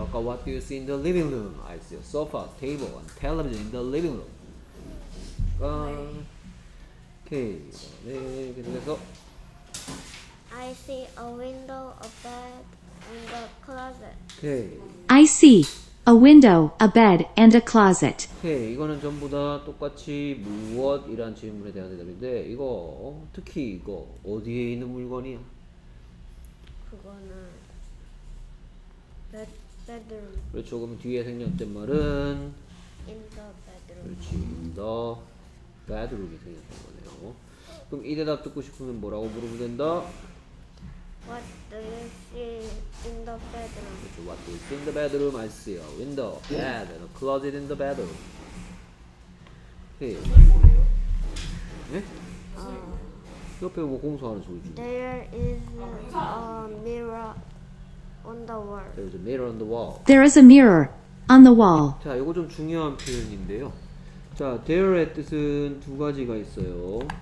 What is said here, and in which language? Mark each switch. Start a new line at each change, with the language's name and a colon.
English: 아까 what do you see in the living room? I see a sofa, table, and television in the living room.
Korean: 오케이. 네, 계속해서.
English: I see a window, a bed, and a closet.
Korean: 오케이.
English: I see a window, a bed, and a closet.
Korean: 오케이. 이거는 전부 다 똑같이 무엇이란 질문에 대한 대답인데, 이거, 특히 이거, 어디에 있는 물건이야? 그거는 bedroom. 그렇죠. 그럼 뒤에 생략된 말은?
English: In the bedroom.
Korean: 그렇지.
English: In the bedroom
Korean: 이 생략된 거네요. 그럼 이 대답 듣고 싶으면 뭐라고 물으면 된다?
English: What do you see in the bedroom? What do you see in the bedroom? I see a window, a bed, and a closet in the bedroom.
Korean: 오케이. 네? 옆에 뭐 공소하는 소리 중.
English: There is a mirror on the wall. There is a mirror on the wall. There is a mirror on the wall.
Korean: 자, 이거 좀 중요한 표현인데요. 자, there의 뜻은 두 가지가 있어요.